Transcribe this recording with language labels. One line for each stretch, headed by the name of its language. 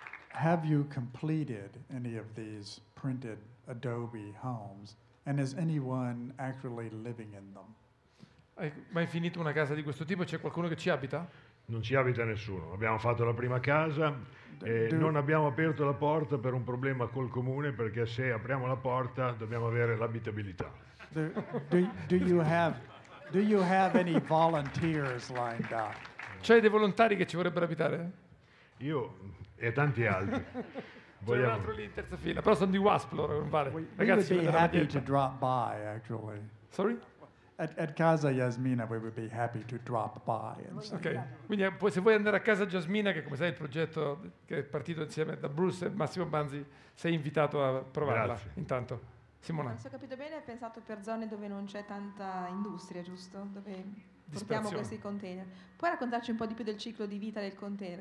English: Have you completed any of these printed adobe homes? And is anyone actually living in them?
Italian: Hai mai finito una casa di questo tipo? C'è qualcuno che ci abita? Non ci abita nessuno. Abbiamo fatto la prima casa. Non abbiamo aperto la porta per un problema col comune, perché se apriamo la porta dobbiamo avere l'abitabilità.
English: Do you have any volunteers lined up?
Italian: C'hai dei volontari che ci vorrebbero abitare? Io e tanti altri. C'è un altro lì in terza fila, però sono di WASP, loro non vale.
English: We would be happy to drop by, actually. Sorry? At casa Yasmina, we would be happy to drop by. Okay.
Italian: Quindi se vuoi andare a casa Yasmina, che come sai il progetto che è partito insieme da Bruce e Massimo Banzi, sei invitato a provarla. Grazie. Intanto. Simona. Non so capito bene, hai pensato per zone dove non c'è tanta industria, giusto? Dove portiamo questi container. Puoi raccontarci un po' di più del ciclo di vita del container?